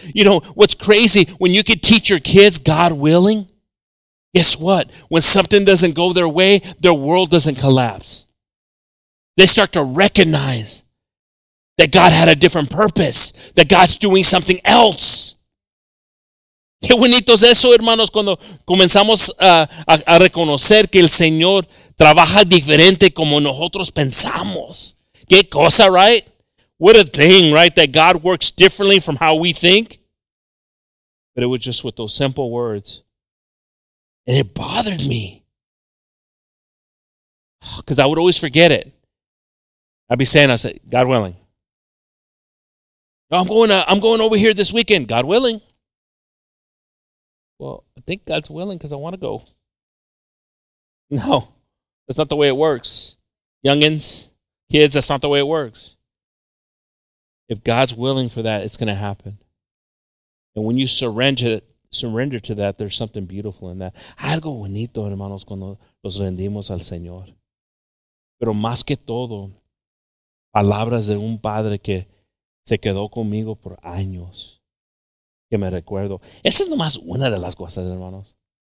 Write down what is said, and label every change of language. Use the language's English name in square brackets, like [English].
[English] You know, what's crazy, when you could teach your kids God willing, guess what? When something doesn't go their way, their world doesn't collapse. They start to recognize that God had a different purpose, that God's doing something else. [Spanish] Qué bonitos eso, hermanos, cuando comenzamos a reconocer que el Señor trabaja diferente como nosotros pensamos. Qué cosa, [English] right? What a thing, right? That God works differently from how we think. But it was just with those simple words. And it bothered me. Because I would always forget it. I'd be saying, I said, God willing. No, I'm going over here this weekend. God willing. Well, I think God's willing because I want to go. No, that's not the way it works. Youngins, kids, that's not the way it works. If God's willing for that, it's going to happen. And when you surrender to that, there's something beautiful in that. [Spanish] Algo bonito, hermanos, cuando los rendimos al Señor. Pero más que todo, palabras de un padre que se quedó conmigo por años, que me recuerdo. Esa es nomás una de las cosas, hermanos.